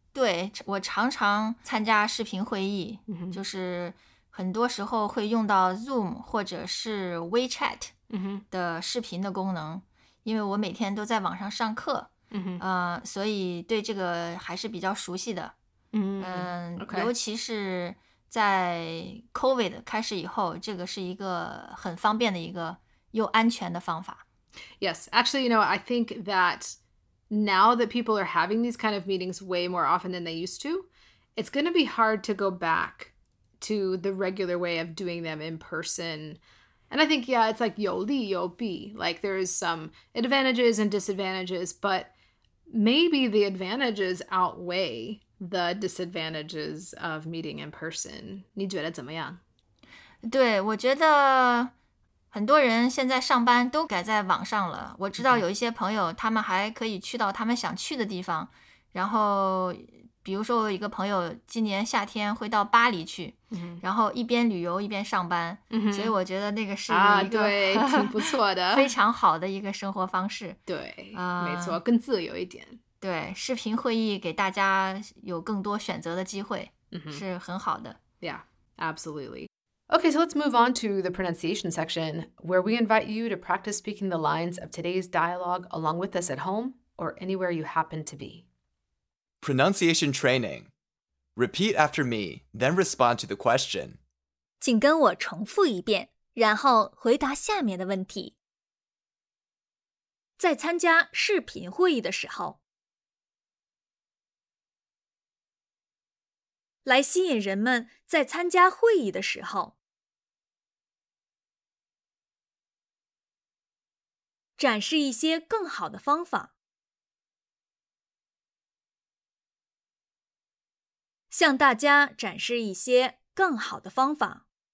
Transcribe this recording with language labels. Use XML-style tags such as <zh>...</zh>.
<zh>对，我常常参加视频会议，就是很多时候会用到 Zoom 或者是 WeChat 的视频的功能，因为我每天都在网上上课，所以对这个还是比较熟悉的。</zh> <en>Okay.</en> <zh>尤其是在 COVID 开始以后，这个是一个很方便的一个又安全的方法。</zh> <en>Yes, actually, you know, I think that now that people are having these kind of meetings way more often than they used to, it's going to be hard to go back to the regular way of doing them in person. And I think, yeah, it's like</en> <zh>有利有弊.</zh> <en>Like there is some advantages and disadvantages, but maybe the advantages outweigh the disadvantages of meeting in person.</en> <zh>你觉得怎么样？对，我觉得很多人现在上班都改在网上了。我知道有一些朋友他们还可以去到他们想去的地方，然后比如说我有一个朋友今年夏天会到巴黎去，然后一边旅游一边上班，所以我觉得那个是一个、啊、对挺不错的非常好的一个生活方式。对、没错，更自由一点。对，视频会议给大家有更多选择的机会、是很好的。</zh> <en>Yeah, absolutely. Okay, so let's move on to the pronunciation section, where we invite you to practice speaking the lines of today's dialogue along with us at home or anywhere you happen to be. Pronunciation training. Repeat after me, then respond to the question.</en> <zh>请跟我重复一遍，然后回答下面的问题。在参加视频会议的时候，来吸引人们在参加会议的时候，展示一些更好的方法，向大家展示一些更好的方法。</zh>